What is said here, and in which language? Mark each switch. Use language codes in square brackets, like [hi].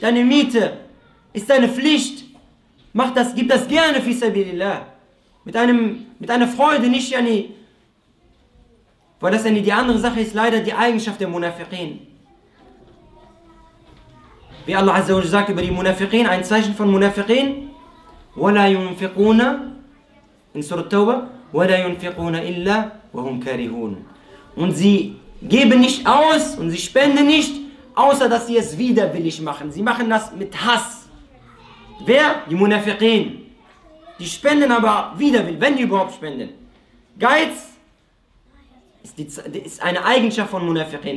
[de] Deine Miete ist deine Pflicht. Mach das, gib das gerne für Sabilillah. Mit einer Freude, nicht yani, weil das yani die andere Sache ist, leider die Eigenschaft der Munafiqin. Wie Allah Azza wa Jalla sagt über die Munafiqin, ein Zeichen von Munafiqin, [ar] ولا ينفقون [de] in Surah Tauba [ar] ولا ينفقون إلا وهم كارهون. [de] Und sie geben nicht aus und sie spenden nicht, außer dass sie es widerwillig machen. Sie machen das mit Hass. Wer? Die Munafiqin. Die spenden aber widerwillig, wenn die überhaupt spenden. Geiz ist eine Eigenschaft von Munafiqin.